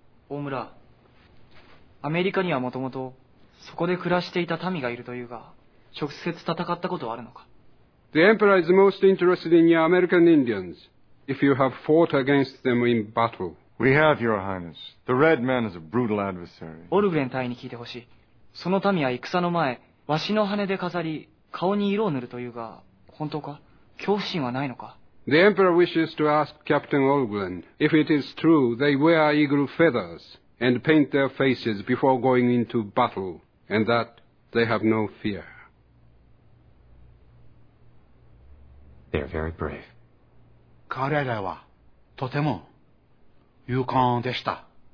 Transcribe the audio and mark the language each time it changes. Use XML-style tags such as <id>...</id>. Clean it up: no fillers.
<ja>Omura, America には元々そこで暮らしていた民がいるというが、直接戦ったことはあるのか?</ja> <en>The Emperor is most interested in your American Indians, if you have fought against them in battle. We have, Your Highness. The Red Man is a brutal adversary.</en> <ja>オルグレン大尉に聞いてほしい。その民は戦の前、わしの羽で飾り、顔に色を塗るというが、本当か? 恐怖心はないのか?</ja> <en>The Emperor wishes to ask Captain Olgren if it is true they wear eagle feathers and paint their faces before going into battle, and that they have no fear. They are very brave.</en> <ja>彼らはとても勇敢でした。</ja>